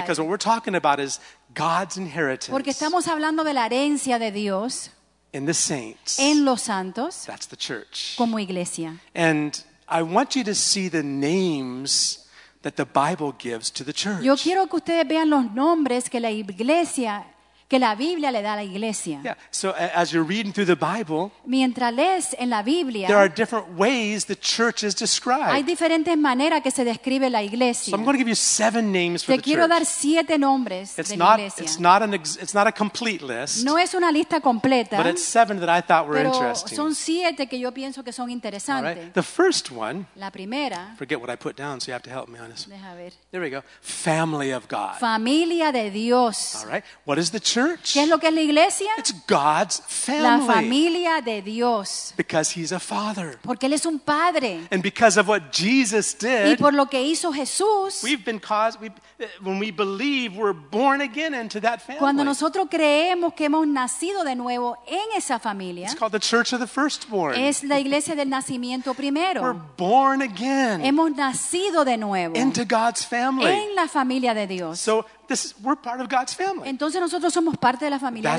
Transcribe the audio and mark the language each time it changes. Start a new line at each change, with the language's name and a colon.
English: because what we're talking about is God's inheritance.
Spanish: Porque estamos hablando de la herencia de Dios
English: in the saints,
Spanish: en los santos,
English: that's the church,
Spanish: como iglesia.
English: And I want you to see the names that the Bible gives to the church.
Spanish: Yo quiero que ustedes vean los nombres que la iglesia, que la Biblia le da a la iglesia.
English: Yeah. So as you're reading through the Bible,
Spanish: mientras lees en la Biblia,
English: there are different ways the church is described.
Spanish: Hay diferentes maneras que se describe la iglesia.
English: So I'm going to give you 7 names for the church.
Spanish: Te quiero dar 7 nombres
English: it's not,
Spanish: la iglesia.
English: It's not a complete list.
Spanish: No es una lista completa.
English: But it's 7 that I thought were
Spanish: pero
English: interesting.
Spanish: Pero son 7 que yo pienso que son interesantes.
English: All right. The first one.
Spanish: La primera.
English: Forget what I put down, so you have to help me on this.
Spanish: Deja ver.
English: There we go. Family of God.
Spanish: Familia de Dios.
English: All right. What is the church?
Spanish: ¿Qué es lo que es la iglesia?
English: It's God's family.
Spanish: La familia de Dios.
English: Because he's a father.
Spanish: Porque él es un padre.
English: And because of what Jesus did.
Spanish: Y por lo que hizo Jesús.
English: We've been caused, when we believe, we're born again into that family.
Spanish: Cuando nosotros creemos que hemos nacido de nuevo en esa familia.
English: It's called the church of the firstborn.
Spanish: Es la iglesia del nacimiento primero.
English: We're born again.
Spanish: Hemos nacido de nuevo.
English: Into God's family.
Spanish: En la familia de Dios.
English: So, we're part of God's family.
Spanish: Entonces nosotros somos parte de la familia